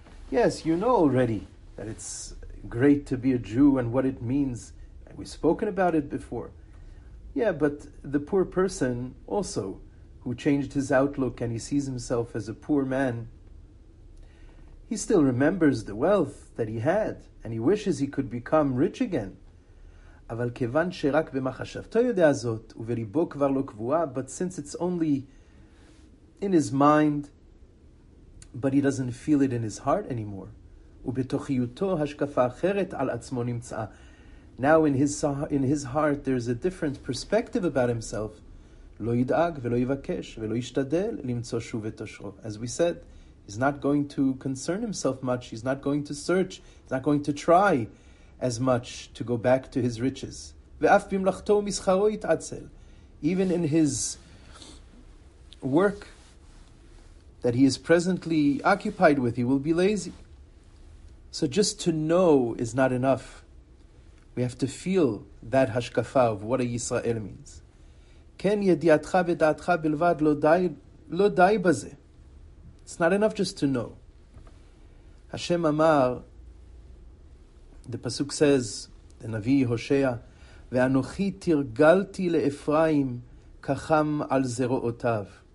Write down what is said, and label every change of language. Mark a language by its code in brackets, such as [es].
[en] Yes, you know already that it's great to be a Jew and what it means. We've spoken about it before. Yeah, but the poor person also who changed his outlook and he sees himself as a poor man, he still remembers the wealth that he had, and he wishes he could become rich again. [he] אבל כיוון שרק במחשבתו יודע זאת, ובליבו כבר לא קבועה, [en] but since it's only in his mind, but he doesn't feel it in his heart anymore. [he] ובתוכיותו השקפה אחרת על עצמו נמצאה. [en] Now in his heart there's a different perspective about himself. [he] לא ידאג ולא יבקש ולא ישתדל למצוא שוב את אושרו. [en] As we said, he's not going to concern himself much. He's not going to search. He's not going to try as much to go back to his riches. [he] ואף במלאכתו ומסחרו יתעצל. [en] Even in his work that he is presently occupied with, he will be lazy. So just to know is not enough. We have to feel that hashkafa of what a Yisrael means. [he] כן ידיעתך ודעתך בלבד לא די בזה. [en] It's not enough just to know. [he] Hashem amar, [en] the pasuk says, the Navi Hoshea, [he] ve'anochi tirgalti le'Ephraim kacham al zero'otav.